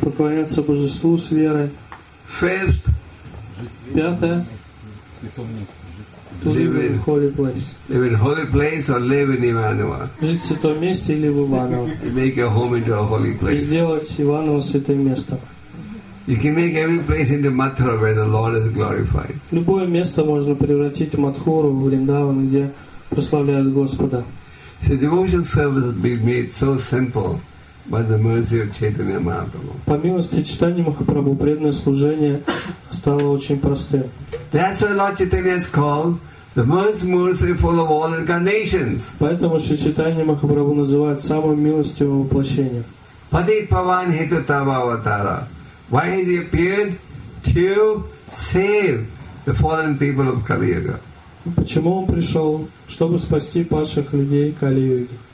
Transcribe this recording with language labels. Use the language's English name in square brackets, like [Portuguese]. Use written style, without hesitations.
[Russian] Поклоняться божеству с верой. [English] Fifth, [Russian] пятое, [English] live in holy place or live in Иваново. [Russian] Жить в святом месте или в Иваново. [English] Make your home into a holy place. [Russian] И сделать Иваново святым местом. [English] You can make every place into Mathura where the Lord is glorified. [Russian] Любое место можно превратить в Матхуру, в Вриндаван, где прославляют Господа. [English] The devotional service has been made so simple by the mercy of Chaitanya Mahaprabhu. [Russian] По милости Чайтаньи Махапрабху преданное служение стало очень простым. [English] That's why Lord Chaitanya is called the most merciful of all incarnations. [Russian] Поэтому Шри Чайтанья Махапрабху называют самым милостивым воплощением. [Sanskrit] Падит Паван Хитатава Аватара. [English] Why has he appeared? To save the fallen people of Kali Yuga. [Russian] Почему он пришел? Чтобы спасти падших людей Кали-юги.